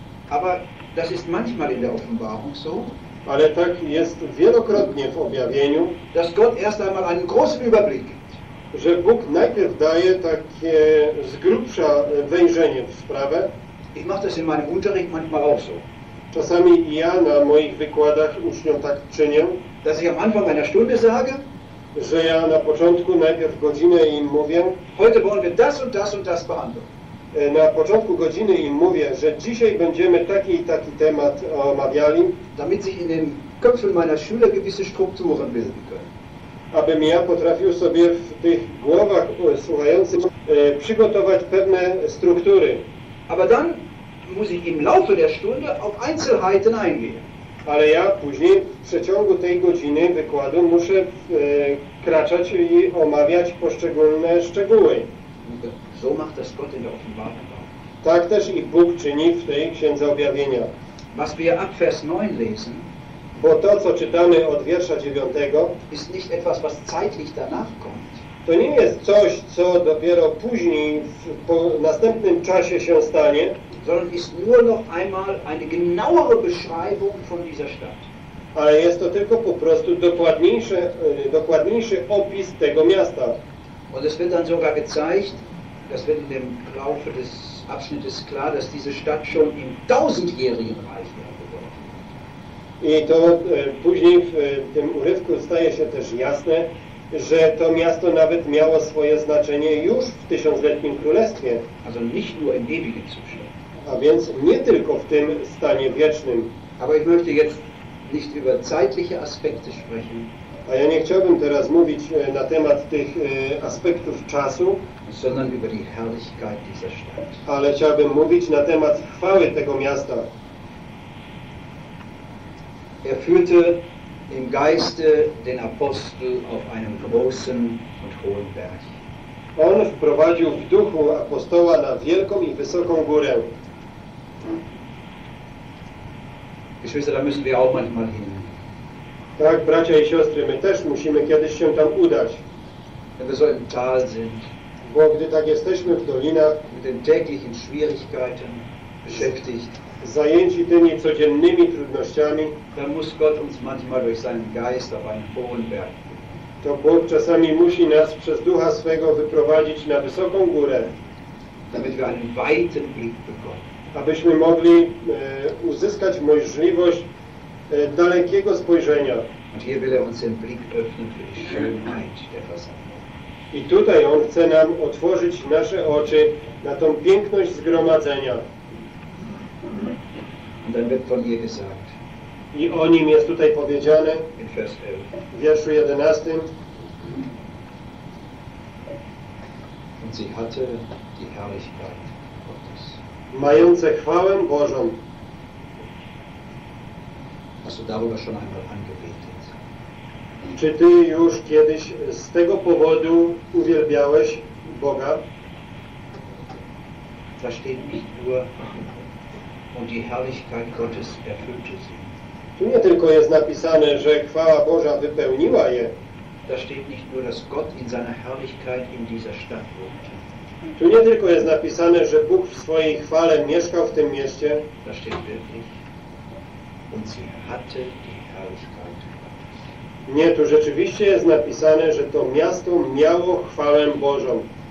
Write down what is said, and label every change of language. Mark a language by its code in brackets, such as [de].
[de] Aber das ist manchmal in der Offenbarung so. [pl] Ale tak jest wielokrotnie w objawieniu, [de] dass Gott erst einmal einen großen Überblick gibt. [pl] Że Bóg najpierw daje takie z grubsza wejrzenie w sprawę. [de] Ich mache das in meinem Unterricht manchmal auch so. [pl] Czasami ja na moich wykładach uczniom tak czynię. [de] Dass ich am Anfang einer Stunde sage, [pl] że ja na początku najpierw godzinę im mówię. [de] Heute wollen wir das und das und das behandeln. [pl] Na początku godziny im mówię, że dzisiaj będziemy taki i taki temat omawiali. [de] Damit sich in den Köpfen meiner Schüler gewisse Strukturen bilden können. [pl] Abym ja potrafił sobie w tych głowach słuchających przygotować pewne struktury. [de] Aber dann muss ich im Laufe der Stunde auf Einzelheiten eingehen. [pl] Ale ja później w przeciągu tej godziny wykładu muszę kraczać i omawiać poszczególne szczegóły. [de] So macht das Gott in der Offenbarung. [pl] Tak też i Bóg czyni w tej Księdze Objawienia. [de] Was wir ab Vers 9 lesen, [pl] bo to, co czytamy od wiersza 9, [de] ist nicht etwas, was zeitlich danach kommt. [pl] To nie jest coś, co dopiero później, po następnym czasie się stanie. [de] Sondern ist nur noch einmal eine genauere Beschreibung von dieser Stadt. [pl] Ale jest to tylko po prostu dokładniejszy opis tego miasta. [de] Und es wird dann sogar gezeigt, das wird in dem Laufe des Abschnittes klar, dass diese Stadt schon im tausendjährigen Reich wäre. [pl] I to później w tym urywku staje się też jasne, że to miasto nawet miało swoje znaczenie już w tysiącletnim królestwie. [de] Also nicht nur im ewigen Zustand. [pl] A więc nie tylko w tym stanie wiecznym. [de] Aber ich möchte jetzt nicht über zeitliche Aspekte sprechen. [pl] A ja nie chciałbym teraz mówić na temat tych aspektów czasu, [de] sondern über die Herrlichkeit dieser Stadt. [pl] Ale chciałbym mówić na temat chwały tego miasta. [de] Er führte im Geiste den Apostel auf einem großen und hohen Berg. [pl] On wprowadził w duchu apostoła na wielką i wysoką górę. [de] Geschwister, da müssen wir auch manchmal hin. [pl] Tak, bracia i siostry, my też musimy kiedyś się tam udać. [de] Wenn wir so im Tal sind, [pl] bo gdy tak jesteśmy w dolinach, [de] mit den täglichen Schwierigkeiten, beschäftigt, [pl] zajęci tymi codziennymi trudnościami, [de] dann muss Gott uns manchmal durch seinen Geist auf einen hohen Berg. [pl] To Bóg czasami musi nas przez Ducha swego wyprowadzić na wysoką górę, [de] damit wir einen weiten Blick bekommen. [pl] Abyśmy mogli uzyskać możliwość dalekiego spojrzenia. [de] Und hier will er uns den Blick öffnen für die Schönheit der Versammlung. [pl] I tutaj on chce nam otworzyć nasze oczy na tą piękność zgromadzenia. [de] Und dann wird von ihr gesagt. [pl] I o nim jest tutaj powiedziane [de] in vers 11. [pl] W wierszu 11. [de] Und sie hatte die Herrlichkeit Gottes. [pl] Mające chwałę Bożą. [de] Hast du darüber schon einmal angebetet? [pl] Czy ty już kiedyś z tego powodu uwielbiałeś Boga? [de] Da steht nicht nur und die Herrlichkeit Gottes erfüllte sie. [pl] Tu nie tylko jest napisane, że chwała Boża wypełniła je. [de] Da steht nicht nur, dass Gott in seiner Herrlichkeit in dieser Stadt wohnt. [pl] Tu nie tylko jest napisane, że Bóg w swojej chwale mieszkał w tym mieście. [de] Da steht wirklich und sie hatte die Herrlichkeit. [pl] Nie, tu rzeczywiście jest napisane, że to miasto miało chwałę Bożą.